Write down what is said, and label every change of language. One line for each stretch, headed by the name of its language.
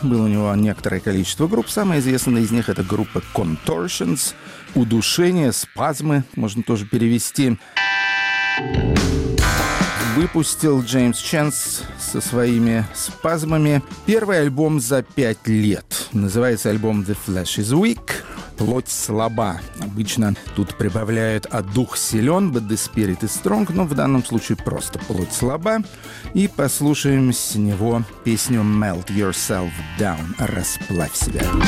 Russian: Было у него некоторое количество групп. Самая известная из них — это группа Contortions. Удушение, спазмы, можно тоже перевести. Выпустил Джеймс Чэнс со своими спазмами первый альбом за 5 лет. Называется альбом «The Flesh is Weak». «Плоть слаба». Обычно тут прибавляют «а дух силен»,
English: «but the spirit is strong»,
Russian: но в данном случае просто «плоть слаба». И послушаем с него песню «Melt Yourself Down», «Расплавь себя».